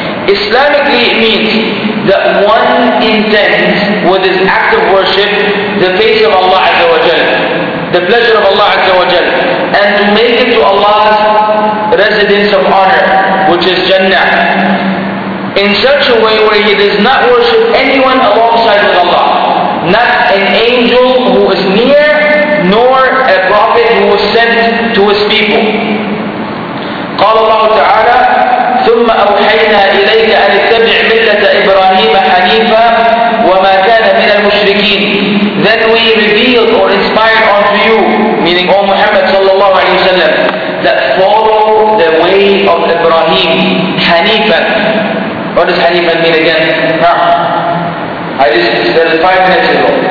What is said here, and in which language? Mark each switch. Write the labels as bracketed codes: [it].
[en] Islamically it means that one intends with his act of worship the face of Allah Azza wa Jal, the pleasure of Allah Azza wa Jal, and to make it to Allah's residence of honor, which is Jannah, in such a way where he does not worship anyone alongside with Allah, not an angel who is near, nor a prophet who was sent to his people. [ar] قال الله تعالى ثم أوحينا إليك أن اتبع ملة إبراهيم حنيفا وما كان من المشركين. [en] Then we revealed or inspired unto you, meaning O Muhammad [ar] صلى الله عليه وسلم, [en] that follow the way of Ibrahim حنيفا. What does حنيفا mean again? I just said it 5 minutes ago.